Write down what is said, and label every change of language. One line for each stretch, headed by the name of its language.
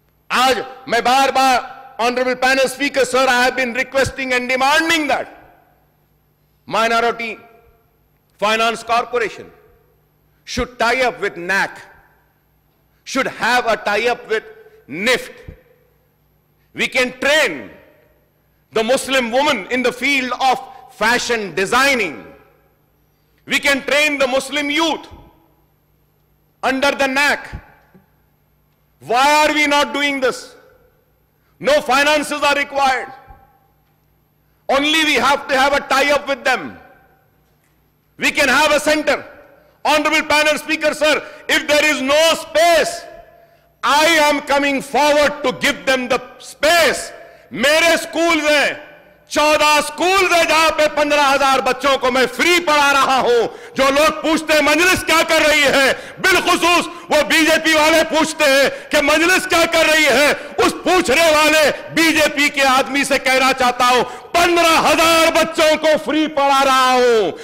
Urdu: آج میں بار بار
English: Honourable panel speaker sir, I have been requesting and demanding that minority finance corporation should tie up with NAC, should have a tie up with NIFT. We can train the Muslim women in the field of fashion designing, we can train the Muslim youth under the NAC. Why are we not doing this? No finances are required, only we have to have a tie up with them. We can have a centre. Honourable panel speaker sir, if there is no space, I am coming forward to give them the space.
Urdu: میرے schools ہیں، 14 schools ہیں جہاں پہ 15,000 بچوں کو میں free پڑھا رہا ہوں. جو لوگ پوچھتے ہیں مجلس کیا کر رہی ہے، بالخصوص وہ بی جے پی والے پوچھتے ہیں کہ مجلس کیا کر رہی ہے، اس پوچھنے والے بی جے پی کے آدمی سے کہنا چاہتا ہوں، 15,000 بچوں کو فری پڑھا رہا ہوں.